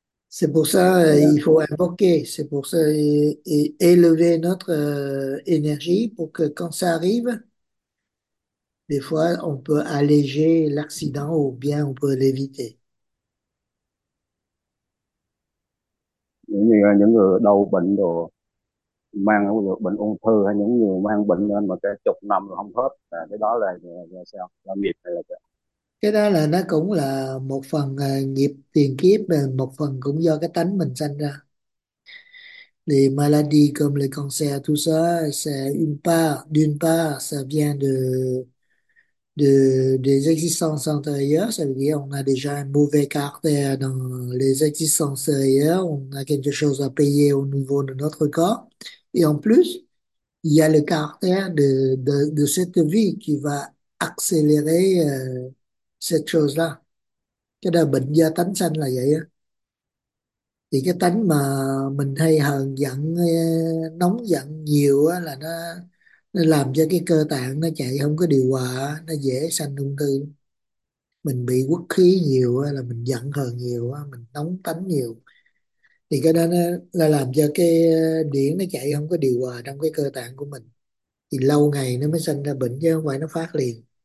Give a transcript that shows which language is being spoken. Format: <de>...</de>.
<fr>C'est pour ça il faut invoquer, c'est pour ça élever notre énergie pour que quand ça arrive, des fois, on peut alléger l'accident ou bien on peut l'éviter.</fr> <vi>Những người đau bệnh đồ mang bệnh ung thư, hay những người mang bệnh lên mà cả chục năm rồi không hết, cái đó là sao, là nghiệp hay là sao? Cái đó là nó cũng là một phần nghiệp tiền kiếp, một phần cũng do cái tánh mình sanh ra.</vi> <fr>Les maladies comme le cancer, tout ça, c'est d'une part, ça vient des existences antérieures. Ça veut dire qu'on a déjà un mauvais caractère dans les existences antérieures, on a quelque chose à payer au niveau de notre corps. Et en plus, il y a le caractère de cette vie qui va accélérer cette chose-là.</fr> <vi>Cái đó bệnh do tánh sanh là vậy á. Thì cái tánh mà mình hay hờn giận, nóng giận nhiều á, là nó làm cho cái cơ tạng nó chạy không có điều hòa, nó dễ sanh ung thư. Mình bị quất khí nhiều á, là mình giận hờn nhiều á, mình nóng tánh nhiều, thì cái đó nó làm cho cái điển nó chạy không có điều hòa trong cái cơ tạng của mình, thì lâu ngày nó mới sanh ra bệnh chứ không phải nó phát liền.</vi>